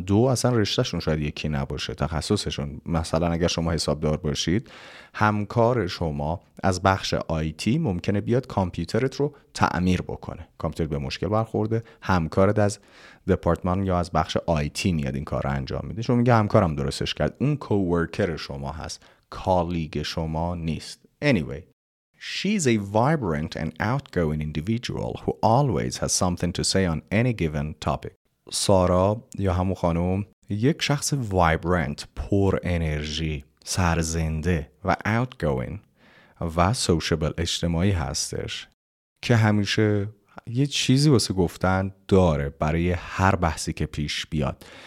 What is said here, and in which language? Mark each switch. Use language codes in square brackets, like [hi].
[fa] دو، اصلا رشتهشون شاید یکی نباشه، تخصصشون. مثلا اگر شما حسابدار باشید، همکار شما از بخش آیتی ممکنه بیاد کامپیوترت رو تعمیر بکنه، کامپیوتر به مشکل برخورده، همکارت از دپارتمان یا از بخش آیتی میاد این کار رو انجام میده، شما میگه همکارم درستش کرد. اون کوورکر شما هست، کالیگ شما نیست. [en] Anyway, she's a vibrant and outgoing individual who always has something to say on any given topic. [fa] سارا یا همون خانم یک شخص vibrant، پر انرژی، سرزنده و outgoing و sociable، اجتماعی هستش که همیشه یه چیزی واسه گفتن داره برای هر بحثی که پیش بیاد.